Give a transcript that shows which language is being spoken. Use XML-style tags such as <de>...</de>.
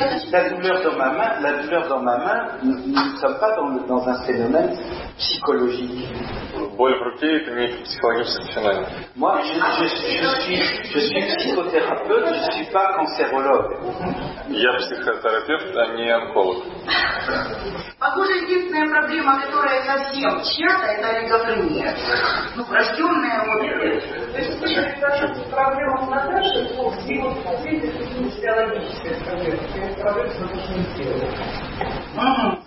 <fr>La douleur dans ma main, nous ne sommes pas dans un phénomène psychologique.</fr> <ru>Боль в руке это не психологический феномен.</ru> <fr>Moi, je suis psychothérapeute, je ne suis pas cancérologue.</fr> <ru>Я психотерапевт, а не онколог. Похоже, единственная проблема, которая совсем чья-то, это олигофрения. Ну, врожденная проблема.</ru>